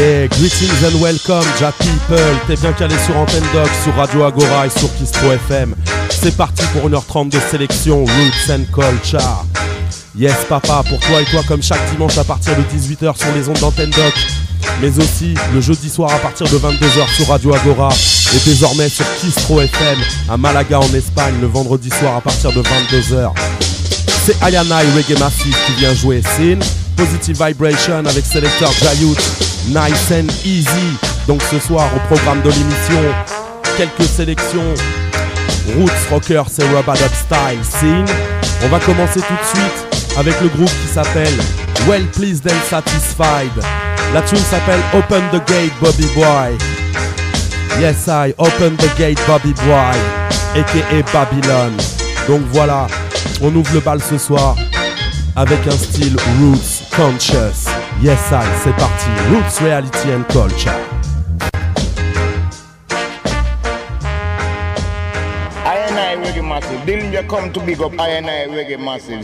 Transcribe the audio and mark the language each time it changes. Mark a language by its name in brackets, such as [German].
[English] Greetings and welcome, Jack People. [French] T'es bien calé sur Antenne Dog, sur Radio Agora et sur Kispo FM. C'est parti pour 1h30 de sélection Roots and Culture. Yes, papa, pour toi et toi, comme chaque dimanche à partir de 18h sur les ondes d'Antenne Dog, mais aussi le jeudi soir à partir de 22h sur Radio Agora et désormais sur Kispo FM à Malaga en Espagne le vendredi soir à partir de 22h. C'est Ayana et Reggae Massive qui vient jouer Sin, Positive Vibration avec Selector Jayut. [English] Nice and easy. [French] Donc ce soir au programme de l'émission, quelques sélections Roots Rockers et Rub-A-Dub Style Scene. On va commencer tout de suite avec le groupe qui s'appelle Well Pleased and Satisfied. La tune s'appelle Open the Gate Bobby Boy. Yes I, Open the Gate Bobby Boy, aka Babylon. Donc voilà, on ouvre le bal ce soir avec un style Roots Conscious. Yes, I, c'est parti. [English] Roots, Reality and Culture. I and I Reggae Massive. Didn't you come to big up I and I Reggae Massive?